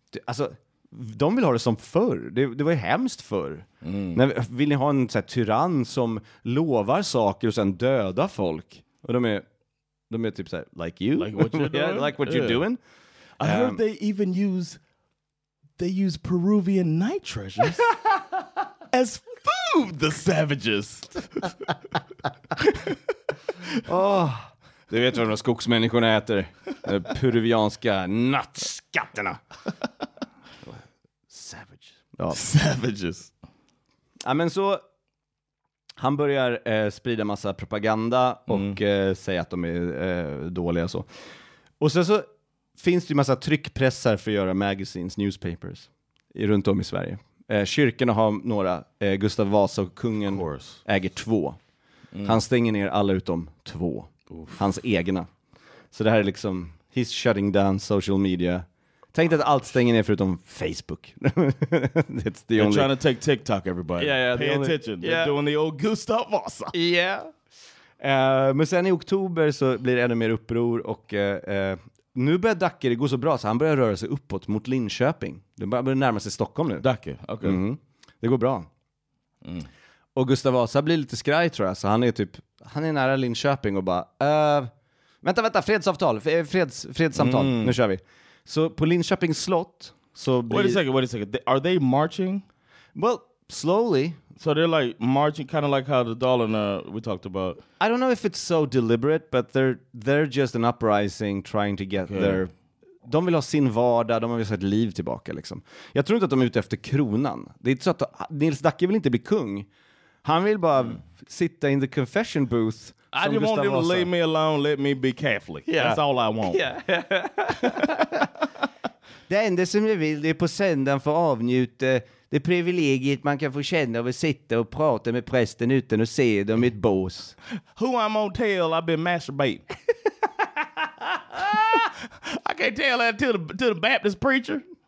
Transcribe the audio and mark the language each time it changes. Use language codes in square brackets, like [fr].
[sv] alltså, de vill ha det som förr. Det var ju hemskt förr. Mm. När, vill ni ha en så här, tyrann som lovar saker och sen dödar folk? Och de är typ så här, [en] like you? Like what you're doing? Like what you're doing? I heard they even use... They use Peruvian night treasures as food, the savages. [sv] Oh, du vet vad de skogsmänniskorna äter. De peruvianska nattskatterna. [en] Savages. [sv] Ja. [en] Savages. [sv] Ja, men så... Han börjar sprida massa propaganda och säga att de är dåliga och så. Och sen så finns det ju massa tryckpressar för att göra [en] magazines, newspapers [sv] runt om i Sverige. Kyrkorna har några. Gustav Vasa och kungen äger två. Mm. Han stänger ner alla utom två. Oof. Hans egna. Så det här är liksom, [en] he's shutting down social media. [sv] Tänk dig att allt stänger ner förutom Facebook. [en] It's the only... They're trying to take TikTok, everybody. Pay attention. Yeah. They're doing the old Gustav Vasa. Yeah. [sv] Men sen i oktober så blir det ännu mer uppror. Och nu börjar Dacke gå så bra så han börjar röra sig uppåt mot Linköping. Det börjar närma sig Stockholm nu. Dacke, okej. Okay. Mm-hmm. Det går bra. Mm. Och Gustav Vasa blir lite skraj, tror jag. Så han är typ, han är nära Linköping och bara... Vänta, fredsavtal. Fredssamtal. Mm. Nu kör vi. Så på Linköpings slott så blir... [en] Wait a second. Are they marching? Well, slowly. So they're like marching, kind of like how the Dalarna we talked about. I don't know if it's so deliberate, but they're just an uprising trying to get their... [sv] De vill ha sin vardag, de vill ha sitt liv tillbaka liksom. Jag tror inte att de är ute efter kronan. Det är inte så att Nils Dacke vill inte bli kung. Han vill bara sitta [en] in the confession booth. I just want them to leave me alone, let me be Catholic. Yeah. That's all I want. Yeah. [sv] Det enda som jag vill är på söndagen få avnjuta det privilegiet man kan få känna av att sitta och prata med prästen utan att se dem i ett bås. [en] Who I'm gonna tell I've been masturbating. I can't tell that to the Baptist preacher.